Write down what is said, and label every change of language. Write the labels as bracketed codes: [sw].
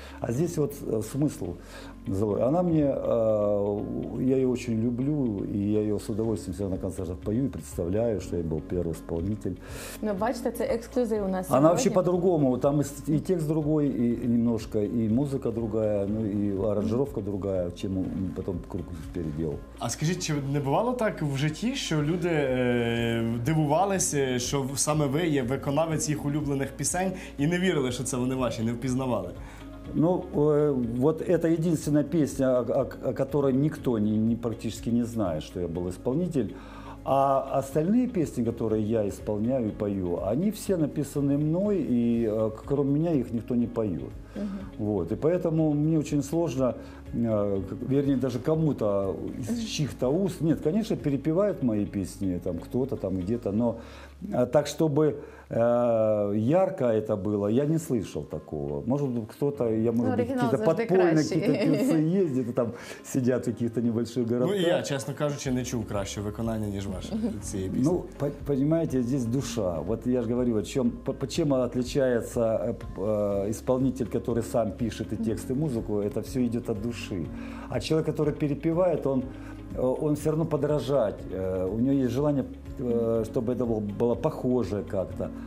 [ru] А здесь вот смысл злой. Она мне, я ее очень люблю, и я ее с удовольствием всегда на концертах пою и представляю, что я был первый исполнитель. Но, бачите, это эксклюзив у нас. Она вообще по-другому. Там и текст другой, и немножко, и музыка другая, ну и аранжировка другая, чем потом круг переделал. А скажите, [uk] чи не бывало так в житті, что люди дивувались, что саме ви є виконавець їх улюблених пісень, и не вірили, що це вони ваші, не впізнавали. [ru] Ну, вот это единственная песня, о которой никто не практически не знает, что я был исполнитель. А остальные песни, которые я исполняю и пою, они все написаны мной, и кроме меня их никто не поет. Вот. И поэтому мне очень сложно, вернее, даже кому-то из чьих-то уст... Нет, конечно, перепевают мои песни, там кто-то там где-то, но так, чтобы... ярко это было, я не слышал такого. Может быть, кто-то, я может ну, быть, какие-то подпольные какие-то певцы ездят, там сидят в каких-то небольших городах. [uk] Ну, я, честно кажучи, не чув краще виконання, ніж ваше цієї пісні. [ru] Ну, понимаете, здесь душа. Вот я же говорю, чем отличается исполнитель, который сам пишет и текст, и музыку, это все идет от души. А человек, который перепевает, он все равно подражать. У него есть желание, чтобы это было похоже как-то.